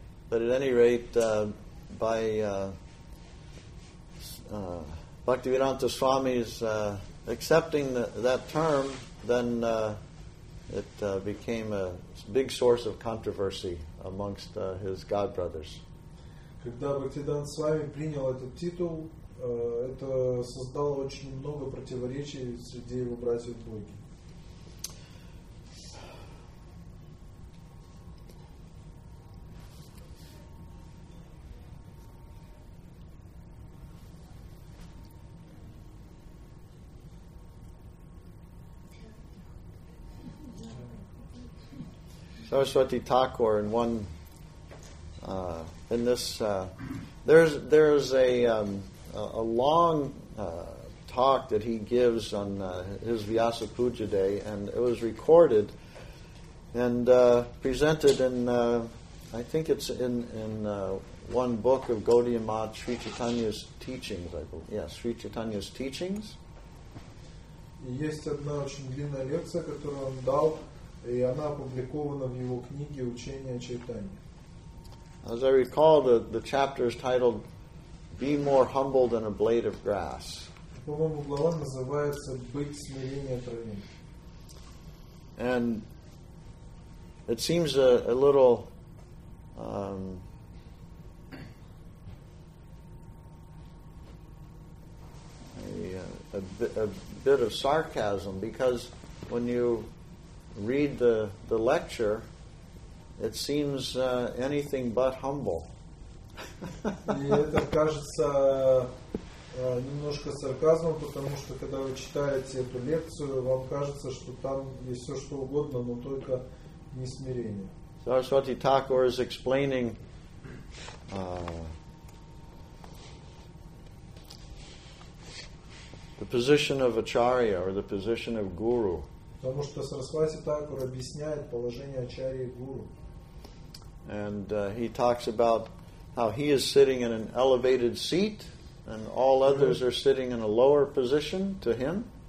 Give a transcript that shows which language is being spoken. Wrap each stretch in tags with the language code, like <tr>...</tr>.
<en>But at any rate, by Bhaktivedanta Swami's accepting that term, then it became a big source of controversy amongst his godbrothers.</en> <ru>Когда Бхактивиданта Свами принял этот титул, это создало очень много противоречий среди его братьев Боги.</ru> <en>Saraswati Thakur, in one in this there's a long talk that he gives on his Vyasa Puja Day, and it was recorded and presented in I think it's in one book of Gaudiya Math, Sri Chaitanya's teachings, I believe. Yes, Sri Chaitanya's teachings.</en> <ru>Есть одна очень длинная лекция, которую он дал. И она опубликована в его книге «Учение Чайтанья».</ru> <en>As I recall, the chapter is titled "Be more humble than a blade of grass".</en> <ru>По-моему, глава называется «Быть смиреннее травы».</ru> <en>And it seems a little a bit of sarcasm, because when you read the lecture, it seems anything but humble.</en> <ru>И это кажется немножко сарказмом, потому что когда вы читаете эту лекцию, вам кажется, что там есть все что угодно, но только не смирение.</ru> <en>Saraswati Thakur is explaining the position of acharya or the position of guru.</en> <ru>Потому что Сарасвати Такур объясняет положение ачарьи и гуру.</ru> <en>And he talks about how he is sitting in an elevated seat and all others are sitting in a lower position to him.</en>